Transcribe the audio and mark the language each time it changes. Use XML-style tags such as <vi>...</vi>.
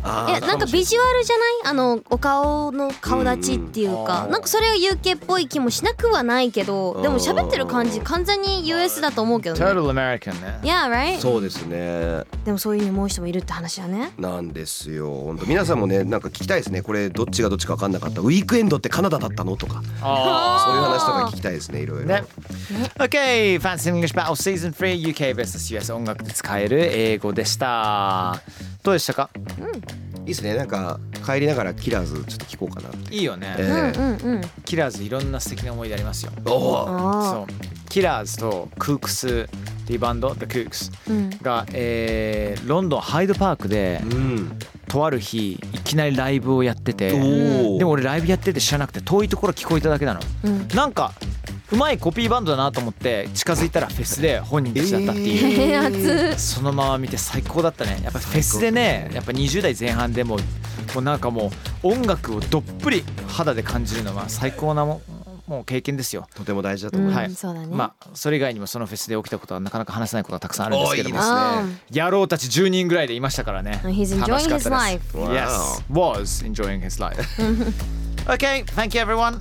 <ja>あ、いや、なんかビジュアルじゃない、あのお顔の顔立ちっていうか、なんかそれが UK っぽい気もしなくはないけど、でも喋ってる感じ完全に US だと思うけどね。</ja> <en>Total American ね。 Yeah, right?</en> <ja>そうですね。でもそういう思う人もいるって話だね。なんですよ、本当。皆さんもね、なんか聞きたいですね、これどっちがどっちか分かんなかった、ウィークエンドってカナダだったのとか、あ、そういう話とか聞きたいですね、いろいろね。</ja> <en>Okay, Fancy English Battle Season 3 UK vs.</en> <ja>US 音楽で使える英語でした。どうでしたか、うん、いいですね。なんか帰りながらキラーズちょっと聞こうかなって。いいよね、うんうんうん、キラーズいろんな素敵な思い出ありますよ。おお、そう、キラーズとクークスリバンド The Kooks、うん、が、ロンドンハイドパークで、うん、とある日いきなりライブをやってて、でも俺ライブやってて知らなくて、遠いところ聞こえただけなの、うん、なんかうまいコピーバンドだなと思って近づいたらフェスで本人たちだったっていう、そのまま見て最高だったね。やっぱフェスでね、やっぱ20代前半でもうなんかもう音楽をどっぷり肌で感じるのは最高なもう経験ですよ。とても大事だと思います、うん、そうだね。まあそれ以外にもそのフェスで起きたことはなかなか話せないことがたくさんあるんですけども、いいですね、野郎たち10人ぐらいでいましたからね。</ja> <en>He's enjoying his life. Yes, was enjoying his life. Okay, thank you everyone.</en>